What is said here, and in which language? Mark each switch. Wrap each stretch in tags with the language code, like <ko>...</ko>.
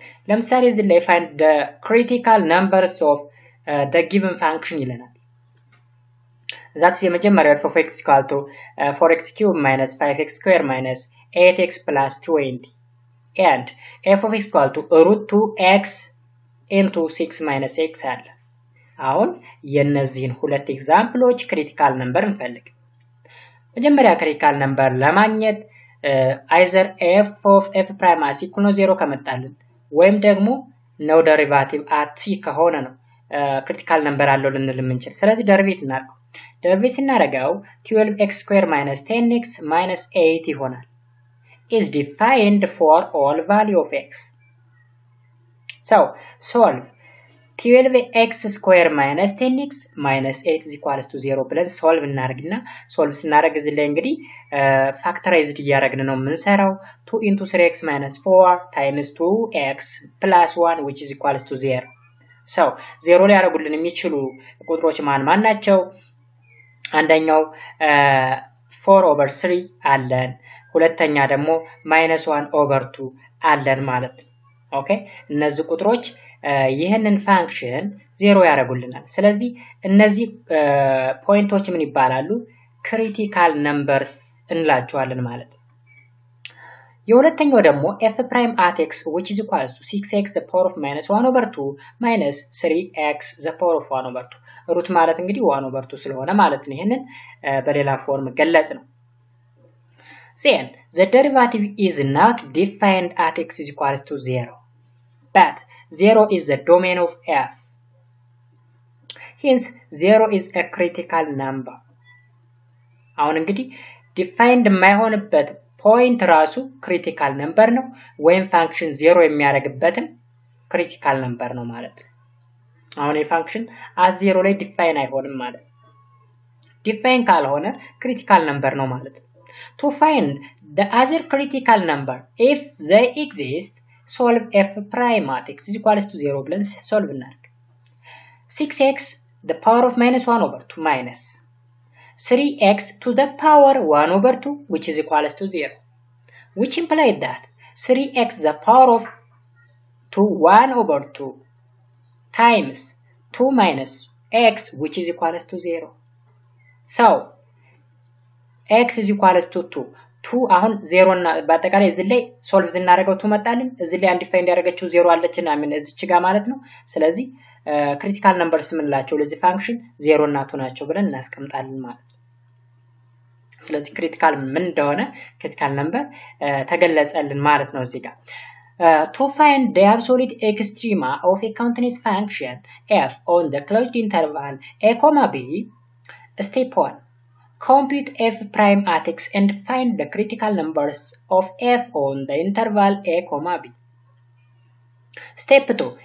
<am>ለምሳሌ እዚህ ላይ</am> <en>find the critical numbers of the given function</en> <am>ይለናል.</am> <en>That's</en> <am>የመጀመሪያው</am> <en>f(x) equal to 4x cube minus 5x square minus 8x plus 20 and f(x) equal to root 2x into 6 minus x</en> <am>አለ. አሁን የነዚህን ሁለት ኤግዛምፕሎች critical number እንፈልግ. መጀመሪያ critical number ለማግኘት</am> <en>either f(f) prime as equal to 0</en> <am>ከመጣልን ወይም ደግሞ</am> <en>no derivative at c</en> <am>ከሆነ ነው critical number አለው ልንል የምንችል. ስለዚህ derivative እናርገው.</am> <en>derivative</en> <am>ስናረጋው</am> <en>12x square minus 10x minus 8</en> <am>ይሆናል.</am> <en>is defined for all value of x. So solve 12x square minus 10x minus 8 is equal to 0</en> <am>ብለን solve እናርግና solve ስናረግ እዚህ ላይ እንግዲህ factorized እያረግን ነው የምንሰራው</am> <en>2 into 3x minus 4 times 2x plus 1 which is equal to 0.</en> <am>So 0 ላይ አረጉልን የሚችሉ ቁጥሮች ማን ማን ናቸው? አንደኛው 4 over 3 አለን. ሁለተኛ ደግሞ minus 1 over 2 አለን ማለት ነው. ኦኬ እነዚህ ቁጥሮች ይህንን function 0 ያረጉልናል. ስለዚህ እነዚህ ፖይንቶች ምን ይባላሉ? critical numbers እንላቸዋለን ማለት ነው.</am> <en>የሁለተኛው ደግሞ f prime at x which is equal to 6x the power of minus 1 over 2 minus 3x the power of 1 over 2</en> <am>ሩት ማለት እንግዲህ 1 over 2 ስለሆነ ማለት ነው. ይህንን በሌላ ፎርም ገለጽ ነው.</am> <en>Then the derivative is not defined at x is equal to 0 but 0 is the domain of f. Hence, 0 is a critical number.</en> <am>አሁን እንግዲህ defined የማይሆንበት point ራሱ critical number ነው ወይም function 0 የሚያደርግበትን critical number ነው ማለት ነው. አሁን የfunction as 0 ላይ define አይሆንም ማለት ነው. define ካልሆነ critical number ነው ማለት ነው.</am> <en>To find the other critical number, if they exist, solve f prime at x is equal to 0</en> <am>ብለን solve እናድርግ.</am> <en>6x the power of minus 1 over 2 minus 3x to the power 1 over 2 which is equal to 0 which implied that 3x the power of 2 1 over 2 times 2 minus x which is equal to 0. So x is equal to 2.</en> <am>2 አሁን 0 እና በአጠቃላይ እዚህ ላይ solve ስናደርገው 2 መጣልን. እዚህ ላይ undefined ያደረገችው 0 አለችና ምን እዚች ጋር ማለት ነው. ስለዚህ critical numbers ምን ላቸው ለዚህ function 0 እና 2 ናቸው ብለን እናስቀምጣለን ማለት ነው. ስለዚህ critical ምን እንደሆነ critical number ተገለጸልን ማለት ነው እዚህ ጋር.</am> <en>To find the absolute extrema of a continuous function f on the closed interval a comma b, step 1. Compute f prime at x and find the critical numbers of f on the interval a comma b. Step 2.</en>